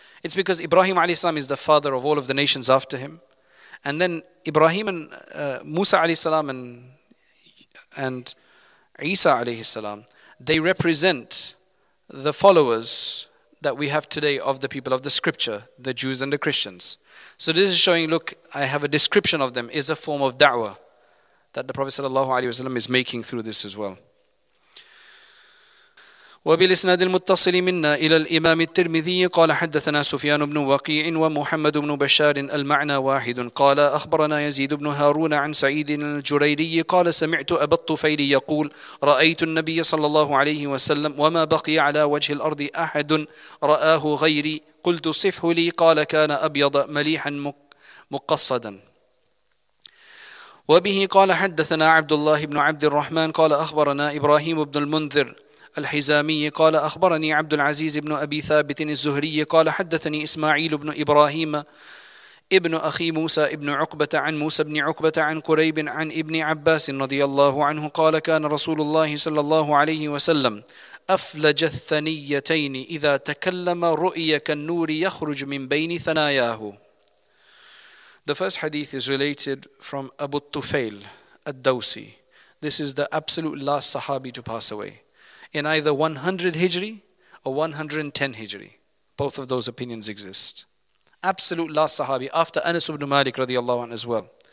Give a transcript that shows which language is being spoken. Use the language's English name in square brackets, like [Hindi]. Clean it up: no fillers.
[English] It's because Ibrahim, alayhi salam, is the father of all of the nations after him. And then Ibrahim and Musa, alayhi salam, and Isa, alayhi salam, they represent the followers that we have today of the people of the scripture, the Jews and the Christians. So this is showing, look, I have a description of them, is a form of da'wah that the Prophet sallallahu alaihi wasallam is making through this as well. [Arabic] وبالإسناد المتصل منا إلى الإمام الترمذي قال حدثنا سفيان بن وقيع ومحمد بن بشار المعنى واحد قال أخبرنا يزيد بن هارون عن سعيد الجريري قال سمعت أبا الطفيل يقول رأيت النبي صلى الله عليه وسلم وما بقي على وجه الأرض أحد رآه غيري قلت صفه لي قال كان أبيض مليحا مقصدا وبه قال حدثنا عبد الله بن عبد الرحمن قال أخبرنا إبراهيم بن المنذر الحزامي قال أخبرني عبد العزيز بن أبي ثابت الزهري قال حدثني إسماعيل بن إبراهيم ابن أخي موسى ابن عقبة عن موسى بن عقبة عن كريب عن ابن عباس رضي الله عنه قال كان رسول الله صلى الله عليه وسلم أفلج الثنيتين إذا تكلم رؤيا كالنور يخرج من بين ثناياه. [English] The first hadith is related from Abu Tufail al-Dawsi. This is the absolute last Sahabi to pass away, in either 100 Hijri or 110 Hijri. Both of those opinions exist. absolute last Sahabi, after Anas ibn Malik radiallahu anhu as well.